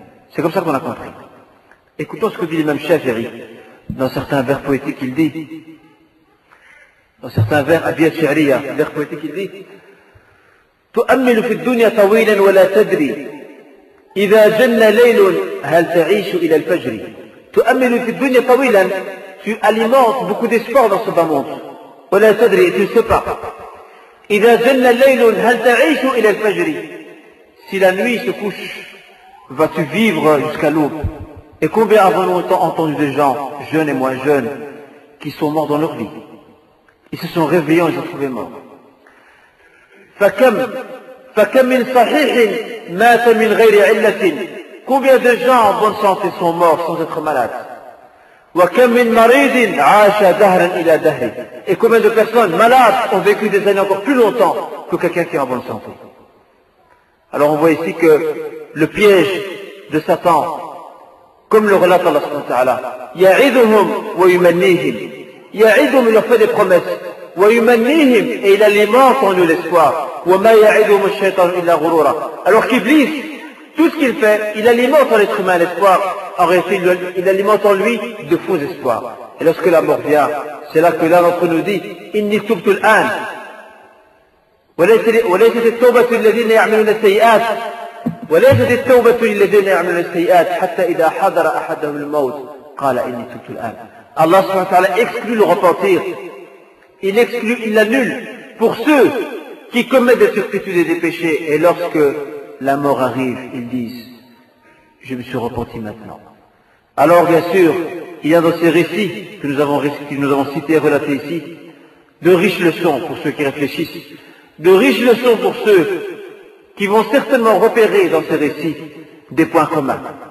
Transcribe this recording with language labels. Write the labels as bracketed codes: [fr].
[fr] C'est comme ça qu'on a compris. Écoutons ce que dit l'imam Shafi'i dans certains vers poétiques. Il dit, dans certains vers abiyat shi'riya, vers poétiques, il dit: [ar] تؤمل في الدنيا طويلا ولا تدري إذا جن ليل هل تعيش إلى الفجر. تؤمل في الدنيا طويلا. [fr] Tu alimentes beaucoup d'espoir dans ce bas monde. [ar] ولا تدري, [fr] tu ne sais pas. [ar] إذا جن ليل هل تعيش إلى الفجر. [fr] Si la nuit se couche, vas-tu vivre jusqu'à l'aube? Et combien avons-nous entendu des gens, jeunes et moins jeunes, qui sont morts dans leur vie? Ils se sont réveillés et ils ont trouvé mort. [ar] فَكَمْ مِنْ صَحِحٍ مَاتَ مِنْ غَيْرِ عِلَّةٍ. [fr] Combien de gens en bonne santé sont morts sans être malades? [ar] وَكَمْ مِنْ مَرِيدٍ عَاشَ دَهْرًا إِلَى دَهْرٍ. [fr] Et combien de personnes malades ont vécu des années encore plus longtemps que quelqu'un qui est en bonne santé? Alors on voit ici que le piège de Satan, comme le relate Allah subhanahu wa ta'ala, [ar] يَعِذُهُمْ وَيُمَنِّيهِمْ. يَعِذُهُمْ, [fr] il leur fait des promesses. [ar] وَيُمَنِّيهِمْ, [fr] et il alimente en eux l'espoir. [ar] وَمَا يَعِذُهُمُ الشَّيْطَانُ إِلَّا غُرُورًا. [fr] Alors qu'Iblis, tout ce qu'il fait, il alimente en l'être humain l'espoir. En réalité, il alimente en lui de faux espoirs. Et lorsque la mort vient, c'est là que l'un d'entre nous dit, [ar] إِنِّي تُبْتُ الْآنِ وَلَيْسَتِ التَّوْبَةُ الَّذِينَ يَعْمَلُونَ السَّيِّئَاتِ وَلَيْسَتِ التَّوْبَةُ الَّذِينَ يَعْمَلُونَ السَّيِّئَاتِ حَتَّى إِذَا حَضَرَ أَحَدَهُمُ الْمَوْتُ قَالَ إِنِّي تُبْتُ الْآنِ. [fr] Allah subhanahu wa ta'ala exclut le repentir. Il exclut, il l'annule pour ceux qui commettent des turpitudes et des péchés. Et lorsque la mort arrive, ils disent, je me suis repenti maintenant. Alors bien sûr, il y a dans ces récits que nous avons cités et relatés ici, de riches leçons pour ceux qui réfléchissent, de riches leçons pour ceux qui vont certainement repérer dans ces récits des points communs.